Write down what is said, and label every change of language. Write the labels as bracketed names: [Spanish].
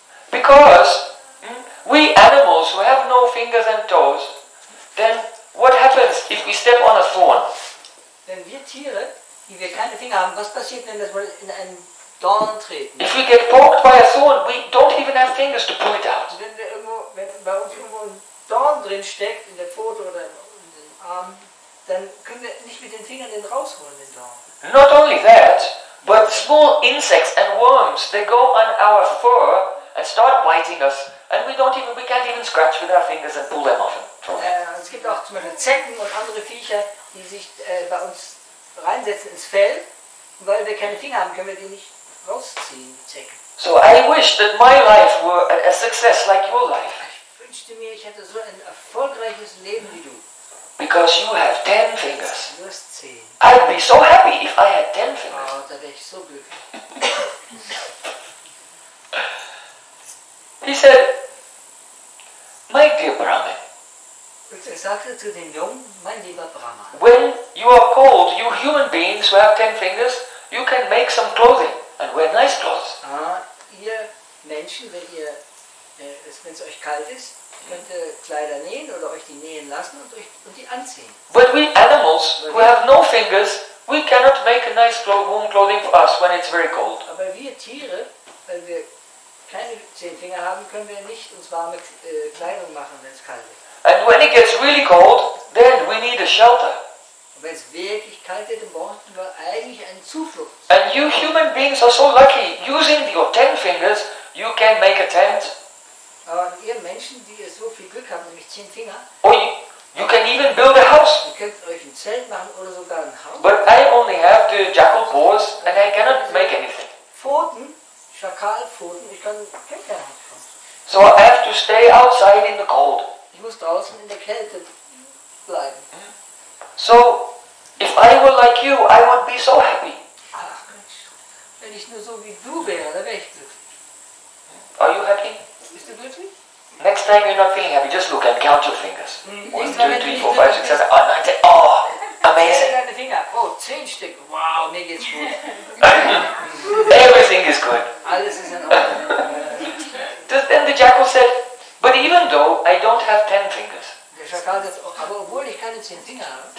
[English] Because we animals who have no fingers and toes, then what happens if we step on a thorn? [German] Wenn wir Tiere, die wir keine Finger haben, was passiert, wenn wir in einen Dorn treten? [English] If we get poked by a thorn, we don't even have fingers to pull it out. [German] Wenn wir irgendwo, wenn bei uns irgendwo ein Dorn drin steckt in der Pfote oder in den Arm, dann können wir nicht mit den Fingern den rausholen, den Dorn. [English] Not only that, but small insects and worms, they go on our fur and start biting us. And we can't even scratch with our fingers and pull them off. [German] Es gibt auch zum Beispiel Zecken und andere Viecher, die sich bei uns reinsetzen ins Fell. Und weil wir keine Finger haben, können wir die nicht rausziehen, Zecken. [English] So I wish that my life were a success like your life. [German] Ich wünschte mir, ich hätte so ein erfolgreiches Leben wie du. [English] Because you have 10 fingers. [German] Du hast 10. [English] I'd be so happy if I had 10 fingers. [German] Oh, da wäre ich so glücklich. [English] He said, "My dear Brahmin." [German] Und er sagte zu den Jungen, mein lieber Brahman. [English] When you are cold, you human beings who have 10 fingers, you can make some clothing and wear nice clothes. [German] Ihr Menschen, wenn es euch kalt ist, könnt ihr Kleider nähen oder euch die nähen lassen und die anziehen. [English] But we animals who have no fingers, we cannot make a nice warm clothing for us when it's very cold. [German] Aber wir Tiere, weil wir keine 10 Finger haben, können wir nicht uns warme Kleidung machen, wenn es kalt ist. [English] And when it gets really cold, then we need a shelter. [German] Und wenn es wirklich kalt wird, dann brauchen wir eigentlich einen Zuflucht. [English] And you human beings are so lucky. Using your 10 fingers, you can make a tent. [German] Aber ihr Menschen, die ihr so viel Glück habt, nämlich 10 Finger, [English] you can even build a house. [German] Ihr könnt euch ein Zelt machen oder sogar ein Haus. [English] But I only have the jackal paws and I cannot make anything. [German] Pfoten. Schakalpfoten, ich kann kein Kerl haben. [English] So I have to stay outside in the cold. [German] Ich muss draußen in der Kälte bleiben. [English] So, if I were like you, I would be so happy. [German] Ach Mensch, wenn ich nur so wie du wäre, dann wäre ich glücklich. [English] Are you happy? [German] Bist du glücklich? [English] Next time you're not feeling happy, just look and count your fingers. 1, 2, 3, 4, 5, 6, 7, 8, 9, 10. Oh, amazing. [German] Deine Finger. Oh, 10 Stück. Wow, mir geht's gut. [English] Everything is good. [German] Alles ist in Ordnung. [English] Then the jackal said, but even though I don't have 10 fingers, [German] der Schakal sagt, aber obwohl ich keine 10 Finger habe,